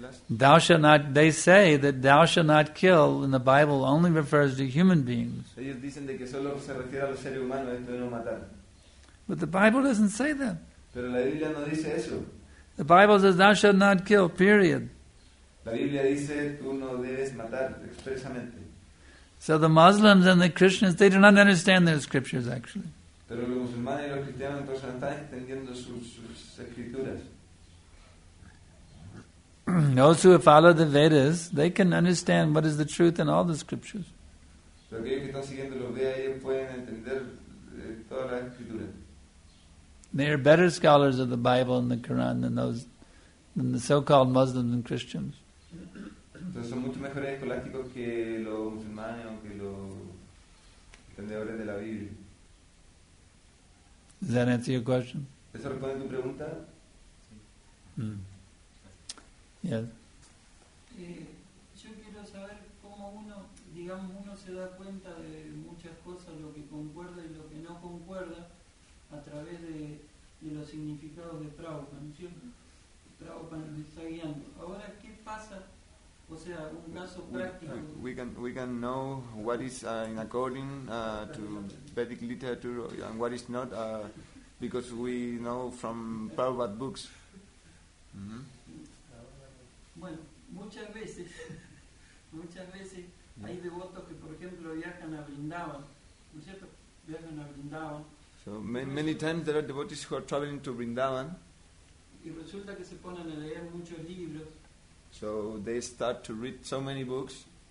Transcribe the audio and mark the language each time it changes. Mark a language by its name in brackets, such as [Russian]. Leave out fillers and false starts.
[English] Thou shalt not, they say that thou shalt not kill in the Bible only refers to human beings. [Spanish] Ellos dicen de que solo se refiere a los seres humanos, esto de no matar. [English] But the Bible doesn't say that. [Spanish] Pero la Biblia no dice eso. [English] The Bible says thou shalt not kill, period. [Spanish] La Biblia dice tú no debes matar expresamente. [English] So the Muslims and the Christians, they do not understand their scriptures actually. [Spanish] Pero los musulmanes y los cristianos entonces no están entendiendo sus escrituras. [English] Those who follow the Vedas, they can understand what is the truth in all the scriptures. They are better scholars of the Bible and the Quran than those, than the so-called Muslims and Christians. [Spanish] Entonces son mucho mejores escolásticos que los musulmanes o que los entendedores de la Biblia. [English] Does that answer your question? [Spanish] ¿Eso responde tu pregunta? [English] Yes. [Spanish] Yo quiero saber cómo uno, digamos, uno se da cuenta de muchas cosas, lo que concuerda y lo que no concuerda, a través de los significados de Prabhupada, ¿no es cierto? Prabhupada nos está guiando. Ahora, ¿qué pasa? O sea, un caso práctico. [English] We can know what is in according to Vedic literature and what is not, because we know from Prabhupada books. [Spanish] Bueno, muchas veces hay devotos que, por ejemplo, viajan a Vrindavan, ¿no es cierto? Viajan a Vrindavan. [English] So many times there are devotees who are traveling to Vrindavan. [Spanish] Y resulta que se ponen a leer muchos libros. [English] So they start to read so many books.